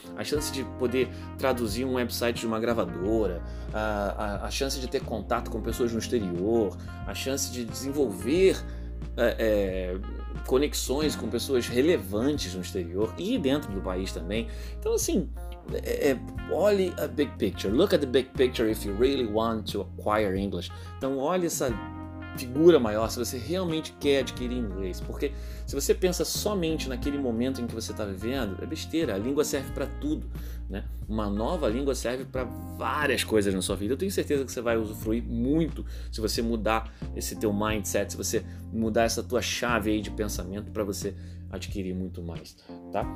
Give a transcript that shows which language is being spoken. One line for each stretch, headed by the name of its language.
Portuguese: A chance de poder traduzir um website de uma gravadora. A chance de ter contato com pessoas no exterior. A chance de desenvolver conexões com pessoas relevantes no exterior e dentro do país também. Então, assim, olhe a big picture.
English: Look at the big picture if you really want to acquire English.
Portuguese: Então, olhe essa figura maior se você realmente quer adquirir inglês. Porque se você pensa somente naquele momento em que você está vivendo, é besteira. A língua serve para tudo, né? Uma nova língua serve para várias coisas na sua vida. Eu tenho certeza que você vai usufruir muito se você mudar esse teu mindset, se você mudar essa tua chave aí de pensamento para você adquirir muito mais, tá?